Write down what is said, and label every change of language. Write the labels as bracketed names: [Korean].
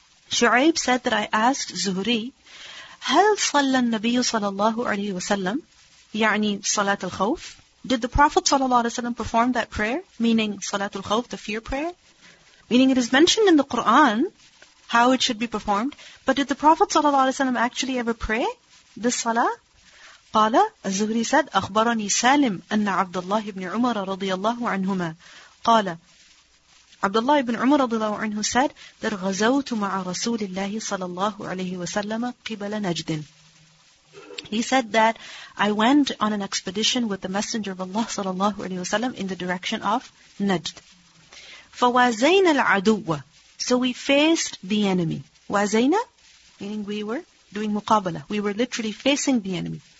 [English] Shu'ayb said that I asked Zuhri, [Arabic] هَلْ صَلَّ النَّبِيُّ صَلَى اللَّهُ عَلَيْهِ وَسَلَّمْ يعني صلاة الخوف. [English] Did the Prophet ﷺ perform that prayer? Meaning Salatul Khawf, the fear prayer? Meaning it is mentioned in the Qur'an how it should be performed. But did the Prophet ﷺ actually ever pray this salah? [Arabic] قال الزهري [English] said, [Arabic] أخبرني سالم أن عبد الله بن عمر رضي الله عنهما قال عبد الله بن عمر رضي الله عنه said that غزوت مع رسول الله صلى الله عليه وسلم قبل نجد. [English] He said that I went on an expedition with the Messenger of Allah [Arabic] صلى الله عليه وسلم [English] in the direction of Najd. [Arabic] فوازينا العدو. [English] So we faced the enemy. وازينا meaning we were doing مقابلة. We were literally facing the enemy.